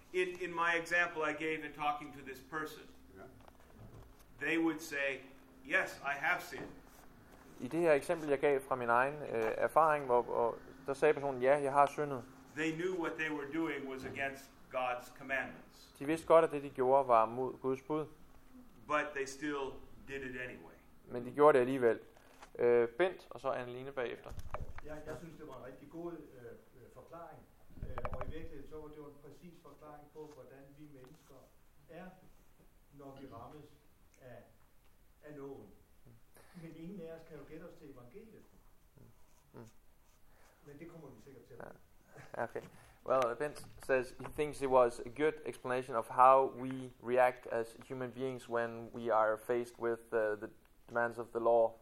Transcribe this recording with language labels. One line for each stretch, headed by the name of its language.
English: In my example I gave in talking to this person, they would say, yes, I have sinned.
Danish: I det her eksempel, jeg gav fra min egen erfaring, hvor der sagde personen, ja, jeg har syndet.
English: They knew what they were doing was against God's commandments.
Danish: De vidste godt, at det, de gjorde, var mod Guds bud.
English: But they still did it anyway.
Danish: Men de gjorde det alligevel. Bent, og så Anne-Line bagefter. Ja, jeg synes, det var en rigtig god forklaring. Og i virkeligheden så var det jo en præcis forklaring på, hvordan vi mennesker er, når vi rammes af loven. Men ingen af os kan jo gætte os til evangeliet. Men det kommer vi sikkert til.
English: Okay. Well, Bent says he thinks it was a good explanation of how we react as human beings when we are faced with the demands of the law.